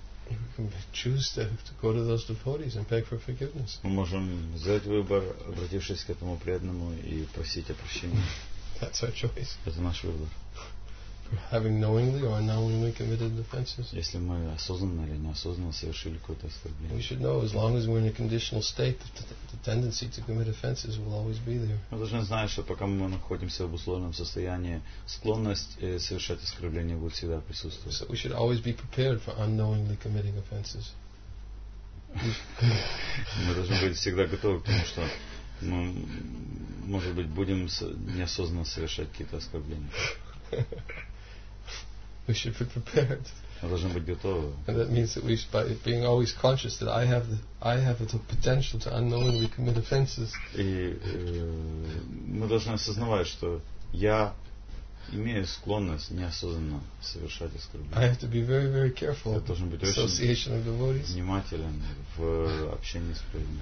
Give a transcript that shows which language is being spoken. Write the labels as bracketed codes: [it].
[en] We can choose to go to those devotees and beg for forgiveness. [ru] Мы можем сделать выбор, обратившись к этому преданному и просить о прощении. [en] That's our choice. [ru] Это наш выбор. [en] For having knowingly or unknowingly committed offenses. [ru] Если мы осознанно или неосознанно совершили какое-то оскорбление. [en] We should know, as long as we're in a conditional state, the tendency to commit offenses will always be there. [ru] Мы должны знать, что пока мы находимся в условном состоянии, склонность совершать оскорбление будет всегда присутствовать. [en] So we should always be prepared for unknowingly committing offenses. [ru] Мы должны быть всегда готовы к тому, что мы, может быть, будем неосознанно совершать какие-то оскорбления. [en] We should be prepared. [ru] Мы должны быть готовы. [en] And that means that we should, by being always conscious that I have the potential to unknowingly commit offenses. [ru] И мы должны осознавать, что я имею склонность неосознанно совершать оскорбления. [en] I have to be very, very careful. [ru] Я должен быть [en] association [ru] очень внимателен в общении с преданными.